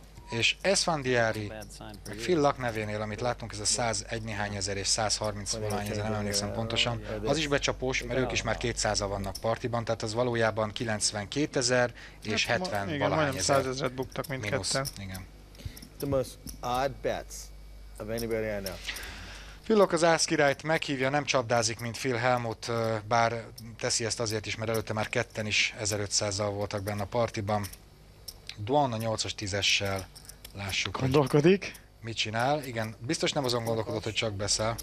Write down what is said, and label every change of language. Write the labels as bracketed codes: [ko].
[hu] És Esfandiari, meg Phil Luck nevénél, amit látunk, ez a 101 néhány ezer és 130 valahány ezer, nem emlékszem pontosan, az is becsapós, mert ők is már 200-a vannak partiban, tehát az valójában 92 ezer és 70 valahány ezer. Igen, majdnem 100 ezeret buktak mindketten. Igen. [en] The most odd bets of anybody I know. [hu] Füllok az Ász királyt meghívja, nem csapdázik, mint Phil Helmut, bár teszi ezt azért is, mert előtte már ketten is 1500-al voltak benne a partiban. Duan a 8-as 10-essel, lássuk, gondolkodik. Mit csinál. Igen, biztos nem azon gondolkodott, hogy csak beszél.